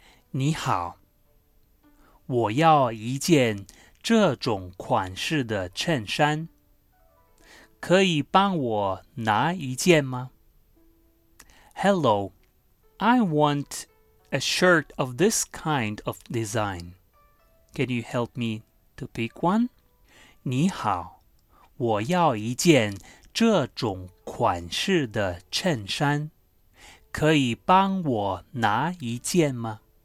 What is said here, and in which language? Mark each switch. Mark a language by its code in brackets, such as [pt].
[zh] 你好，我要一件这种款式的衬衫，可以帮我拿一件吗？ [en] Hello, I want a shirt of this kind of design. Can you help me to pick one? [zh] 你好，我要一件这种款式的衬衫，可以帮我拿一件吗？